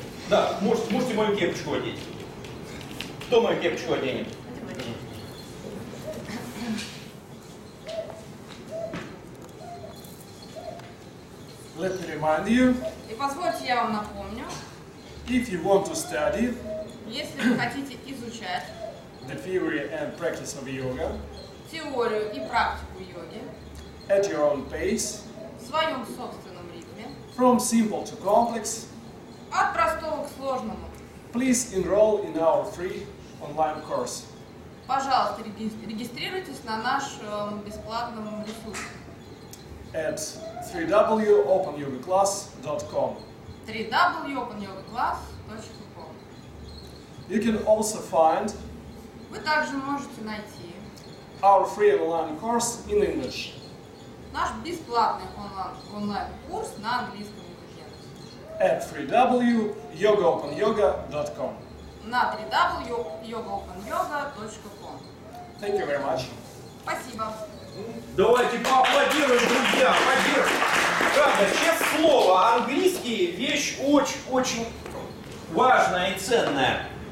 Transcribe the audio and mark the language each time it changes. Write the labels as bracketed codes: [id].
[ru] Да, можете мою кепочку одеть. Кто мою кепочку оденет? [en] Let me remind you. [ru] И позвольте, я вам напомню. [en] If you want to study, [ru] если вы хотите изучать [en] the theory and practice of yoga, [ru] теорию и практику йоги [en] at your own pace, [ru] в своем собственном ритме, [en] from simple to complex, [ru] от простого к сложному, [en] please enroll in our free online course. [ru] Пожалуйста, регистрируйтесь на нашем бесплатном ресурсе. [en] At www.openyogaclass.com. www.openyogaclass.com. You can also find. [ru] Вы также можете найти. [en] Our free online course in English. [ru] Наш бесплатный онлайн курс на английском языке. [en] At www.yogaopenyoga.com. [ru] На www.yogaopenyoga.com. [en] Thank you very much. [ru] Спасибо. Давайте поаплодируем, друзья! Поддержим! знаете, вещь очень-очень важная и ценная.